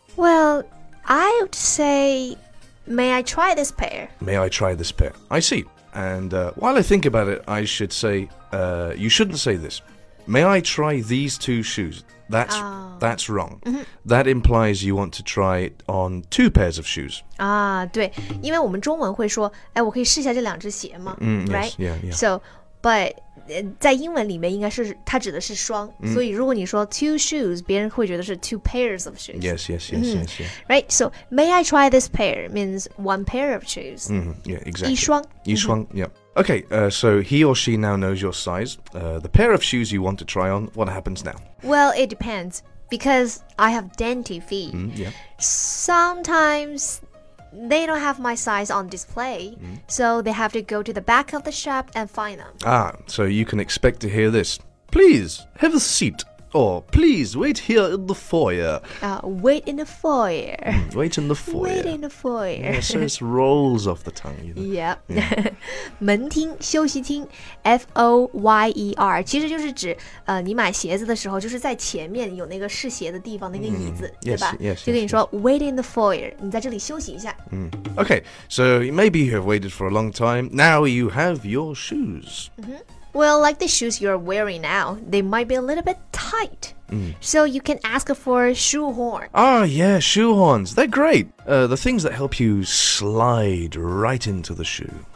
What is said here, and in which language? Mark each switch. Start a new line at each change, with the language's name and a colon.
English: Well, I would say, may I try this pair? May I try this pair? I see. And while I think about it, I should say, you shouldn't say this. May I try these two shoes? That's wrong. That implies you want to try on two pairs of shoes.
Chinese: 对，因为我们中文会说，哎，我可以试一下这两只鞋吗？
English: Right? Yes, yeah. So, but...
Chinese: 在英文里面应该是它指的是双、所以如果你说
English: two shoes
Chinese: 别人会觉得是
English: two pairs of shoes yes. Right, so may I try this pair means one pair of shoes yeah, exactly
Chinese: 一双、
English: yeah. Okay, so he or she now knows your size the pair of shoes you want to try on, what happens now? Well, it depends because I have dainty feet Sometimes they don't have my size on display, so they have to go to the back of the shop and find them. So you can expect to hear this. Please, have a seat. Oh, please wait here in the foyer. Wait in the foyer. Wait in the foyer. Wait in the foyer. Yeah, so it rolls off the tongue, you know. Yeah.
Chinese: 门厅休息厅 F-O-Y-E-R 其实就是指、你买鞋子的时候就是在前面有那个试鞋的地方那个椅子、对吧
English: yes,
Chinese: 就跟你说
English: yes, yes. Wait in the foyer
Chinese: 你在这里休息一下、
English: Okay, so maybe you have waited for a long time. Now you have your shoes. Well, like the shoes you're wearing now, they might be a little bit tight.、So you can ask for a shoehorn. Oh, yeah, shoehorns. They're great.、The things that help you slide right into the shoe.